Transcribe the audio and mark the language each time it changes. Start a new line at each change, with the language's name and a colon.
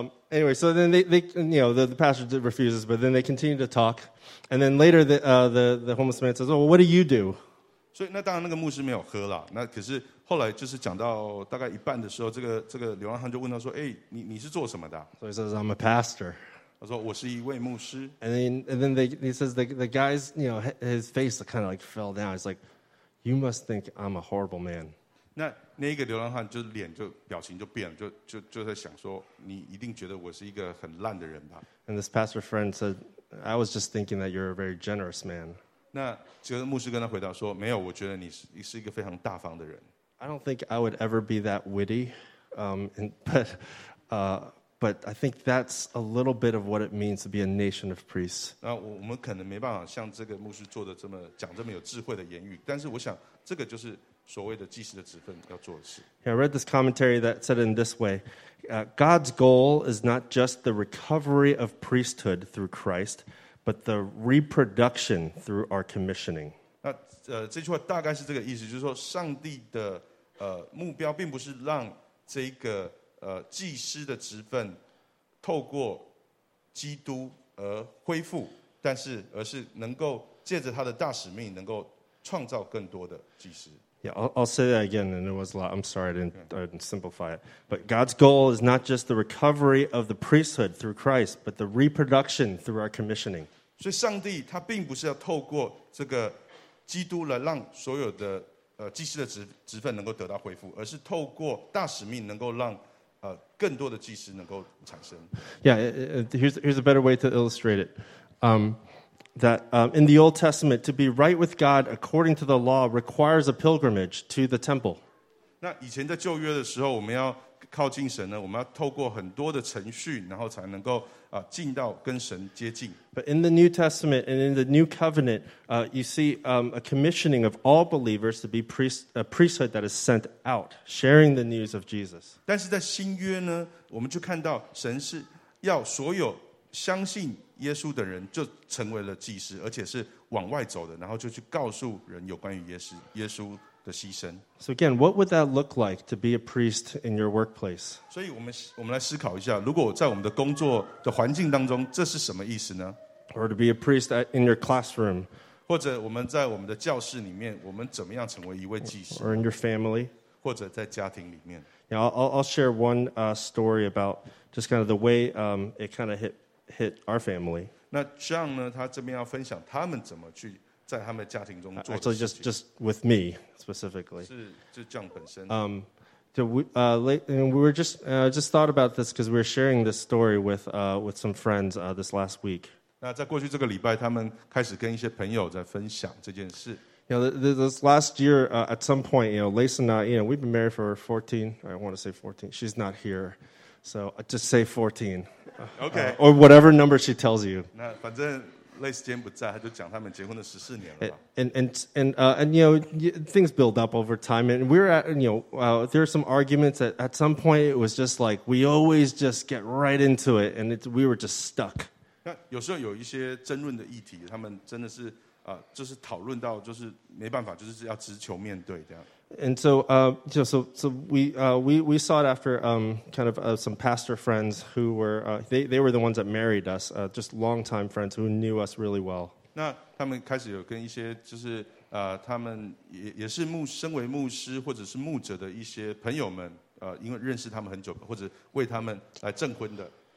English: Anyway, so then they you know the pastor refuses, but then they continue to talk, and then later the homeless man says, "Oh, well, what do you do?"
Chinese: 所以那当然那个牧师没有喝了，那可是。后来就是讲到大概一半的时候，这个流浪汉就问他说：“哎，你是做什么的？”
English: So he says, "I'm a pastor."
Chinese: 他说：“我是一位牧师。”
English: And then he says the guy's you know his face kind of like fell down. He's like, "You must think I'm a horrible man."
Chinese: 那一个流浪汉就脸就表情就变了，就在想说：“你一定觉得我是一个很烂的人吧？”
English: And this pastor friend said, "I was just thinking that you're a very generous man."
Chinese: 那这个牧师跟他回答说：“没有，我觉得你是一个非常大方的人。”
English: I don't think I would ever be that witty, but I think that's a little bit of what it means to be a nation of priests.
Chinese: 那我们可能没办法像这个牧师做的这么讲这么有智慧的言语，但是我想这个就是所谓的祭司的职分要做的事。
English: Yeah, I read this commentary that said in this way, God's goal is not just the recovery of priesthood through Christ, but the reproduction through our commissioning.
Chinese: 那这句话大概是这个意思，就是说，上帝的目标并不是让这个祭司的职分透过基督而恢复，但是而是能够借着他的大使命，能够创造更多的祭司。
English: Yeah, I'll say that again, and it was a lot. I'm sorry, I didn't simplify it. But God's goal is not just the recovery of the priesthood through Christ, but the reproduction through our commissioning.
Chinese: 所以，上帝他并不是要透过这个。基督来让所有的祭司的职分能够得到恢复，而是透过大使命能够让更多的祭司能够产生。
English: Yeah, here's a better way to illustrate it. In the Old Testament, to be right with God according to the law requires a pilgrimage to the temple.
Chinese: 那以前在旧约的时候，我们要靠近神呢，我们要透过很多的程序，然后才能够。进到跟神接近。
English: But in the New Testament and in the New Covenant, you see a commissioning of all believers to be a priesthood that is sent out, sharing the news of Jesus.
Chinese: 但是在新约呢，我们就看到神是要所有相信耶稣的人就成为了祭司，而且是往外走的，然后就去告诉人有关于耶稣的牺牲。
English: So again, what would that look like to be a priest in your workplace?
Chinese: 所以我们来思考一下，如果在我们的工作的环境当中，这是什么意思呢？
English: Or to be a priest in your classroom.
Chinese: 或者我们在我们的教室里面，我们怎么样成为一位祭司？
English: Or in your family.
Chinese: 或者在家庭里面。
English: Yeah, I'll share one story about just kind of the way it kind of hit our family.
Chinese: 那 John 呢，他这边要分享他们怎么去在他们家庭中做的事情。
English: Actually, just with me specifically.
Chinese: 是 John 本身。
English: We just thought about this because we were sharing this story with some friends this last week.
Chinese: 那在过去这个礼拜，他们开始跟一些朋友在分享这件事。
English: You know, this last year, at some point, you know, Lace and I, you know, we've been married for 14, I want to say 14, she's not here, so just say 14. Okay. Or whatever number she tells you.
Chinese: 那反正 Lace 今天不在，她就讲他们结婚的14年了吧。
English: And you know, things build up over time, and we're at, you know, there are some arguments that at some point it was just like, we always just get right into it, and we were just stuck.
Chinese: 那有时候有一些争论的议题，他们真的是就是讨论到就是没办法，就是要直球面对这样。
English: And so, we saw it after kind of some pastor friends who were they were the ones that married us, just long time friends who knew us really well.
Chinese: 那他们开始有跟一些就是他们也是身为牧师或者是牧者的一些朋友们因为认识他们很久或者为他们来证婚的。